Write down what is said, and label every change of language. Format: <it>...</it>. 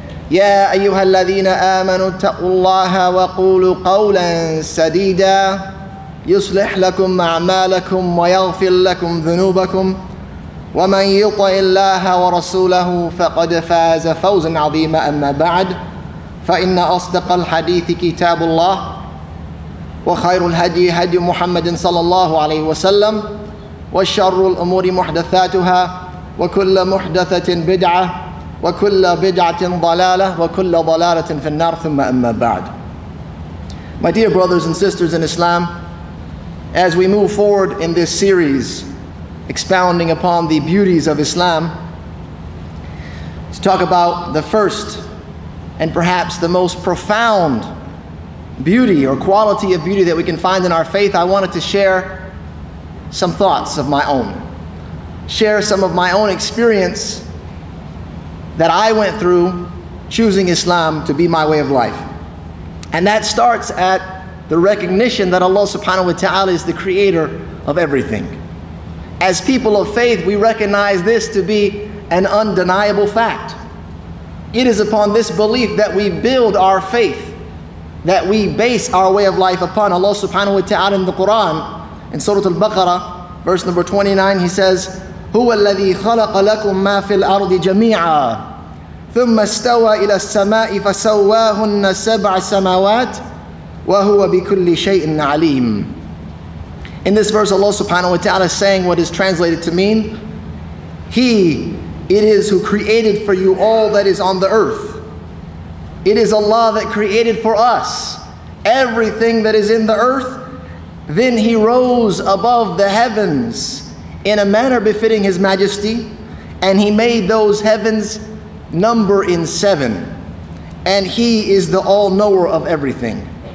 <ar>يا أيها الذين آمنوا اتقوا الله وقولوا قولا سديدا يصلح لكم أعمالكم ويغفر لكم ذنوبكم ومن يطع الله ورسوله فقد فاز فوزا عظيما أما بعد فإن أصدق الحديث كتاب الله وخير الهدي هدي محمد صلى الله عليه وسلم وشر الأمور محدثاتها وكل محدثة بدعة وَكُلَّ بِدْعَةٍ ضَلَالَةٍ وَكُلَّ ضَلَالَةٍ فِي النَّارِ ثُمَّ أَمَّا بَعْدٍ.</ar> <en>My dear brothers and sisters in Islam, as we move forward in this series expounding upon the beauties of Islam, let's talk about the first and perhaps the most profound beauty or quality of beauty that we can find in our faith. I wanted to share some thoughts of my own, share some of my own experience that I went through choosing Islam to be my way of life. And that starts at the recognition that Allah subhanahu wa ta'ala is the creator of everything. As people of faith, we recognize this to be an undeniable fact. It is upon this belief that we build our faith, that we base our way of life upon. Allah subhanahu wa ta'ala in the Quran, in Surah Al-Baqarah, verse number 29, he says,</en> <ar>هو الذي خلق لكم ما في الأرض جميعا ثم استوى إلى السماء فسواهن سبع سماوات وهو بكل شيء عليم.</ar> <en>In this verse, Allah subhanahu wa ta'ala is saying what is translated to mean, He, it is who created for you all that is on the earth. It is Allah that created for us everything that is in the earth. Then He rose above the heavens in a manner befitting His majesty, and He made those heavens number in seven, and He is the all-knower of everything.</en>